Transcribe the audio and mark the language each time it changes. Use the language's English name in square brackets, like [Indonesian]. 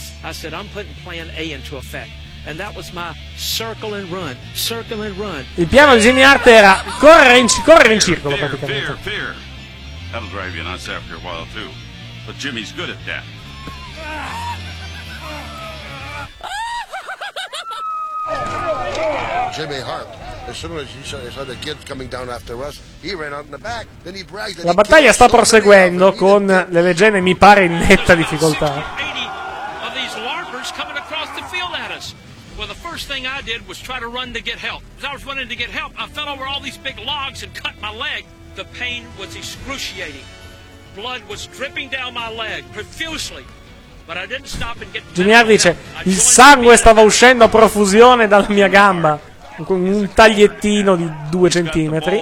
[English] I said I'm putting plan A into effect, and that was my circle and run. [Italian] Il piano di Jimmy Hart era correre in circolo praticamente. [English] That'll drive you nuts after a while, too. But Jimmy's good at that. Jimmy Hart, as soon as he saw the kids coming down after us, he ran out in the back, then he bragged that. [Italian] La battaglia sta proseguendo con le leggende, mi pare, in netta difficoltà. [English] Of these LARPers coming across the field at us. Well, the first thing I did was try to run to get help. As I was running to get help, I fell over all these big logs and cut my leg. The pain was excruciating. Blood was dripping down my leg profusely, but I didn't stop and get. [Italian] Junior dice: il sangue stava uscendo a profusione dalla mia gamba, con un tagliettino di 2 centimetri.